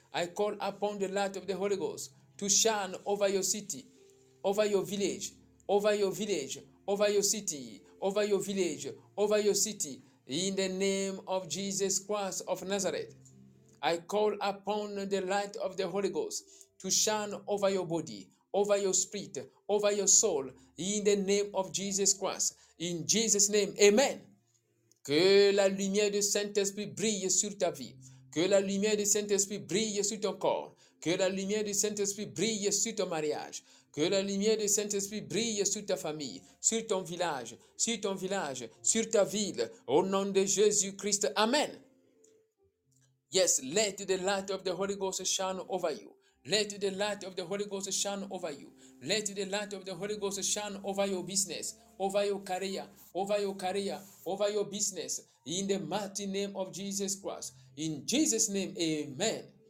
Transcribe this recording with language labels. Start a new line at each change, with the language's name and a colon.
English: I call upon the light of the Holy Ghost to shine over your city, over your village, over your village, over your city, over your village, over your city. In the name of Jesus Christ of Nazareth, I call upon the light of the Holy Ghost to shine over your body, over your spirit, over your soul, in the name of Jesus Christ. In Jesus' name, amen.
French: Que la lumière du Saint-Esprit brille sur ta vie. Que la lumière du Saint-Esprit brille sur ton corps. Que la lumière du Saint-Esprit brille sur ton mariage. Que la lumière du Saint-Esprit brille sur ta famille, sur ton village, sur ton village, sur ta ville. Au nom de Jésus-Christ, amen.
English: Yes, let the light of the Holy Ghost shine over you. Let the light of the Holy Ghost shine over you. Let the light of the Holy Ghost shine over your business, over your career, over your career, over your business. In the mighty name of Jesus Christ. In Jesus' name, amen.